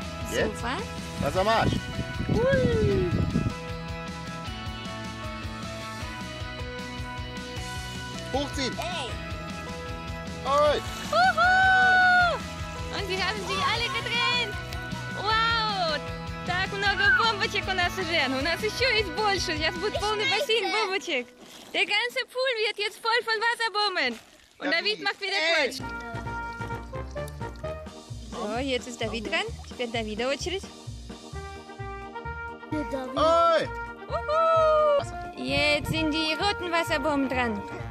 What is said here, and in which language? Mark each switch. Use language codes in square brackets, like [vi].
[de] Super. Was am Arsch? Hochziehen. Hey. Juhu! Und sie haben sie alle getrennt. Wow. [ru] Так много бомбочек у нас уже. У нас еще есть больше. Сейчас будет полный бассейн бомбочек. [de] Der ganze Pool wird jetzt voll von Wasserbomben. Und David macht wieder Quatsch. So, jetzt ist David dran. Ich werde David Очередь. Oi! Jetzt sind die roten Wasserbomben dran.